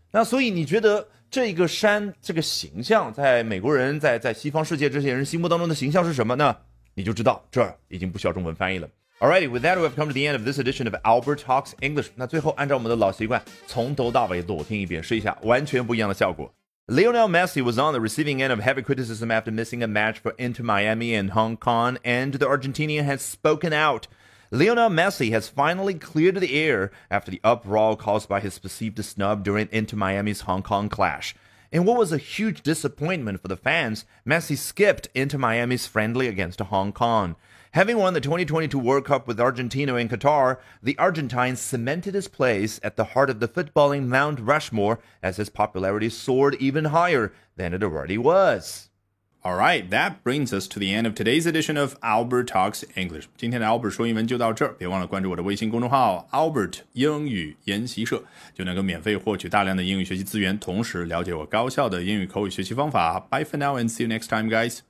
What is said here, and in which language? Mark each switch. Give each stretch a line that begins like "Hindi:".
Chinese: 那所以你觉得这个山这个形象在美国人在西方世界这些人心目当中的形象是什么呢？你就知道这已经不需要中文翻译了。
English: Alrighty, with that we've come to the end of this edition of Albert Talks English。
Chinese: 那最后按照我们的老习惯从头到尾裸听一遍，试一下完全不一样的效果。
English: Lionel Messi was on the receiving end of heavy criticism after missing a match for Inter Miami in Hong Kong, and the Argentinian has spoken out. Lionel Messi has finally cleared the air after the uproar caused by his perceived snub during Inter Miami's Hong Kong clash. In what was a huge disappointment for the fans, Messi skipped Inter Miami's friendly against Hong Kong. Having won the 2022 World Cup with Argentina in Qatar, the Argentine cemented his place at the heart of the footballing Mount Rushmore as his popularity soared even higher than it already was. All right, that brings us to the end of today's edition of Albert Talks English.
Chinese: 今天的 Albert 说英文就到这儿，别忘了关注我的微信公众号 Albert 英语研习社，就能够免费获取大量的英语学习资源，同时了解我高效的英语口语学习方法。
English: Bye for now and see you next time, guys.